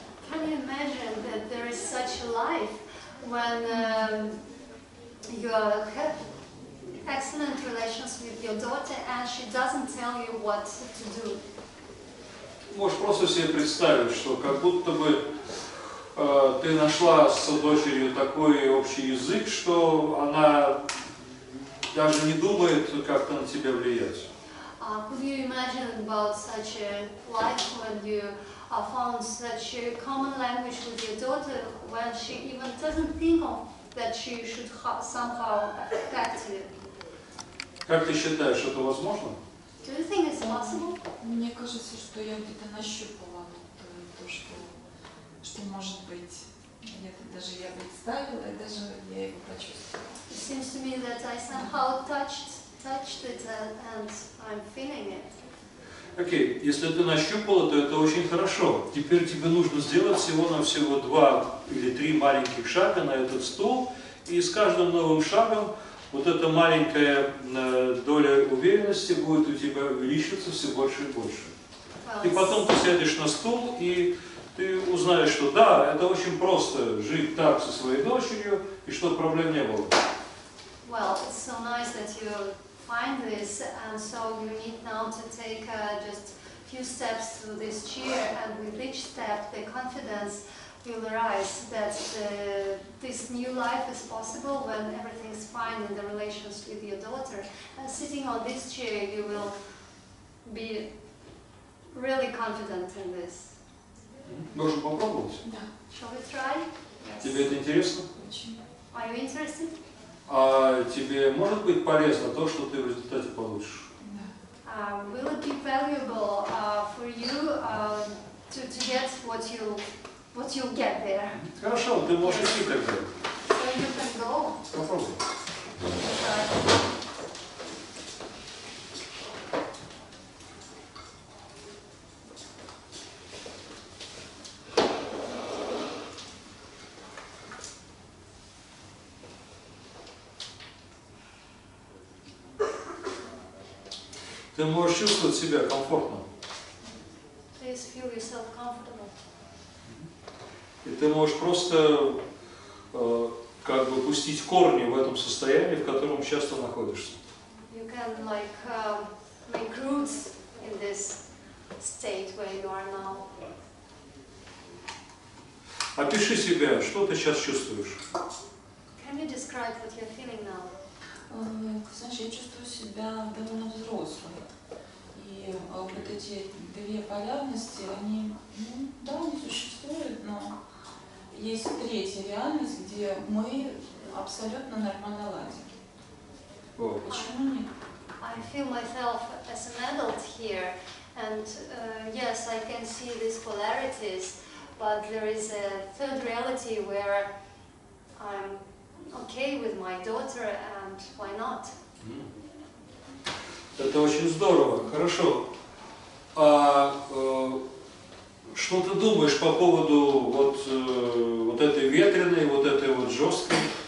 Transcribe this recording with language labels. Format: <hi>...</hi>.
<en>Can you imagine that there is such a life when you have excellent relations with your daughter and she doesn't tell you what to do?</en> <ru>Можешь просто себе представить, что как будто бы ты нашла с дочерью такой общий язык, что она даже не думает как-то на тебя влиять.</ru> <en>Could you imagine about such a life when you found such a common language with your daughter when she even doesn't think of that she should somehow affect you?</en> <ru>Как ты считаешь, это возможно?</ru> <en>Do you think it's possible?</en> <ru>Мне кажется, что я где-то нащупала то, что может быть. Это даже я представила, и даже я его почувствовала.</ru> <en>It seems to me that I somehow touched it and I'm feeling it.</en> <ru>Окей, если ты нащупала, то это очень хорошо. Теперь тебе нужно сделать всего-навсего два или три маленьких шага на этот стул, и с каждым новым шагом вот эта маленькая доля уверенности будет у тебя увеличиваться все больше и больше. И потом ты сядешь на стул, и ты узнаешь, что да, это очень просто жить так со своей дочерью, и что проблем не было.</ru> <en>Well, it's so nice that you find this, and so you need now to take just few steps to this chair, and with each step the confidence will arise that this new life is possible when everything is fine in the relations with your daughter. And sitting on this chair, you will be really confident in this.</en> <ru>Можем попробовать? Да.</ru> <en>Shall we try? Yes.</en> <ru>Тебе это интересно? Очень.</ru> <en>Are you interested?</en> <ru>А тебе может быть полезно то, что ты в результате получишь? Да.</ru> <en>Will it be valuable for you to get what you what you'll get there.</en> <ru>Хорошо, ты можешь идти тогда.</ru> <en>So you can go.</en> <ru>Попробуй. Ты можешь чувствовать себя комфортно.</ru> <en>Please feel yourself comfortable.</en> <ru>И ты можешь просто как бы пустить корни в этом состоянии, в котором сейчас ты находишься.</ru> <en>You can like make roots in this state where you are now.</en> <ru>Опиши себя, что ты сейчас чувствуешь.</ru> <en>Can you describe what you're feeling now?</en> <ru>Значит, я чувствую себя довольно взрослой. И вот эти две полярности, они, ну, да, они существуют, но есть третья реальность, где мы абсолютно нормально ладим. Oh. Почему нет?</ru> <en>I feel myself as an adult here, and yes, I can see these polarities, but there is a third reality where I'm okay with my daughter, and why not? Mm.</en> <ru>Это очень здорово, хорошо. А что ты думаешь по поводу вот вот этой ветреной, вот этой вот жесткой?</ru>